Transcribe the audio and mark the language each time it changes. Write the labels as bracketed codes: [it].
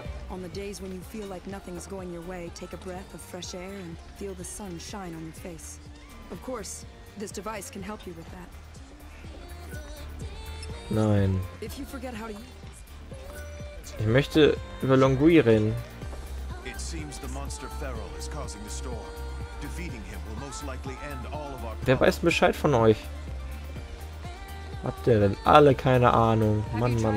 [en] On the days when you feel like nothing is going your way, take a breath of fresh air and feel the sun shine on your face. Of course, this device can help you with that. Nein. If you forget how to... [de] Ich möchte über Longui reden. [en] It seems the monster Feral is causing the storm. Defeating him will most likely end all of our... [de] Wer weiß Bescheid von euch? Habt ihr denn alle keine Ahnung? Mann.